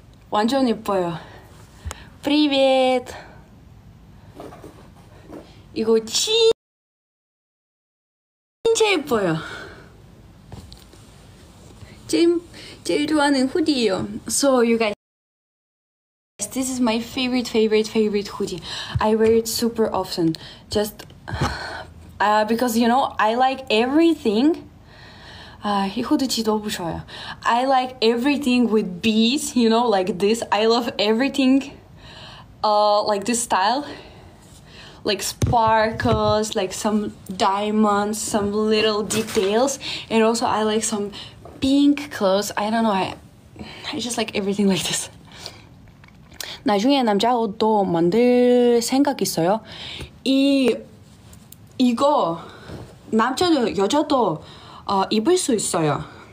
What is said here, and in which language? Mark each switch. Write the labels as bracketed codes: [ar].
[ko] 완전 예뻐요. [ru] Привет. [ko] 이거 진짜 예뻐요. 제일 좋아하는 후디예요. [en] So you guys, this is my favorite hoodie. I wear it super often. Just because you know, I like everything. [ko] 이 후드 진짜 너무 좋아요. [en] I like everything with bees, you know, like this. I love everything like this style. Like sparkles, like some diamonds, some little details. And also I like some pink clothes. I don't know, I just like everything like this. [ko] 나중에 남자 옷도 만들 생각 있어요. 이거 남자도 여자도 입을 수 있어요.